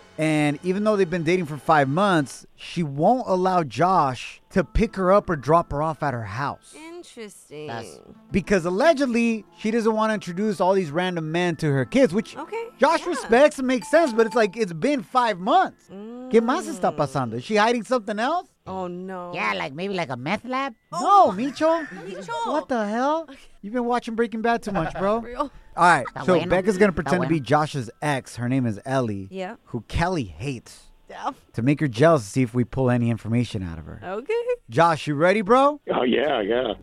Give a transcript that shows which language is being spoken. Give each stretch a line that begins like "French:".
English: And even though they've been dating for 5 months, she won't allow Josh to pick her up or drop her off at her house. Interesting. Because allegedly, she doesn't want to introduce all these random men to her kids, which okay, Josh yeah. respects and makes sense, but it's like, it's been 5 months.
Spanish: ¿Qué más está pasando?
English: Is she hiding something else? Oh, no. Yeah, like maybe like a meth lab? Oh. No, Micho. What the hell? You've been watching Breaking Bad too much, bro. Real. All right, so Becca's going to pretend to be Josh's ex. Her name is Ellie, yeah. who Kelly hates. Yeah. To make her jealous to see if we pull any information out of her. Okay. Josh, you ready, bro? Oh, yeah.